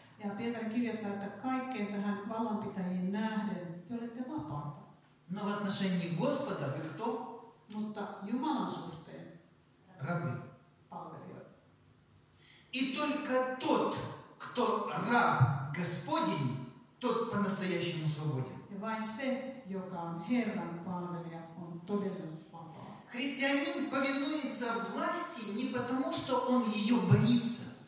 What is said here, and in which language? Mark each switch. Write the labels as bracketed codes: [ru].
[fi] Ja Pietari kirjoittaa, että kaikkeen tähän vallanpitäjien nähden te olette vapaita. [ru] Но в отношении Господа вы кто? [fi] Mutta Jumalan suhteen. [ru] Рабы. [fi] Palvelijoita. [ru] И только тот, кто раб Господень, тот по-настоящему свободен. [fi] Ja vain se, joka on Herran palvelija, on todella vapaa. [ru] Христианин повинуется власти не потому, что он ее боится.